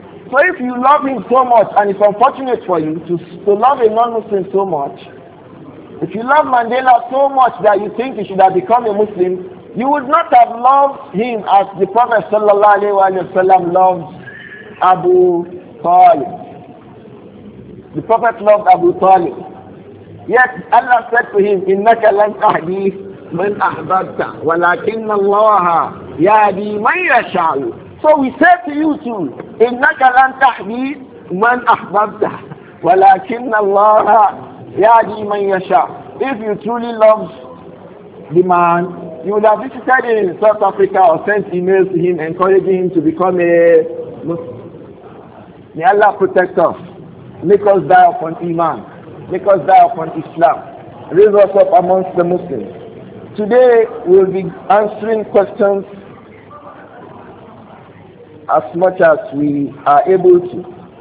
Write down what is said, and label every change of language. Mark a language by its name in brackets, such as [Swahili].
[English] So if you love him so much, and it's unfortunate for you to love a non-Muslim so much, if you love Mandela so much that you think he should have become a Muslim, you would not have loved him as the Prophet sallallahu alaihi wasallam loves Abu Talib. The Prophet loved Abu Talib. Yet Allah said to him, [Arabic] إِنَّكَ لَنْ تَهْدِي مَنْ أَحْبَبْتَ وَلَكِنَّ اللَّهَ يَهْدِي مَنْ يَشَاءُ. [English] So we say to you too, [Arabic] إِنَّكَ لَنْ تَهْدِي مَنْ أَحْبَبْتَ وَلَكِنَّ اللَّهَ يَهْدِي مَنْ يَشَاءُ. [English] If you truly love the man, you would have visited him in South Africa or sent emails to him encouraging him to become a Muslim. May Allah protect us. Make us die upon Iman. Make us die upon Islam. Raise us up amongst the Muslims. Today we'll be answering questions as much as we are able to.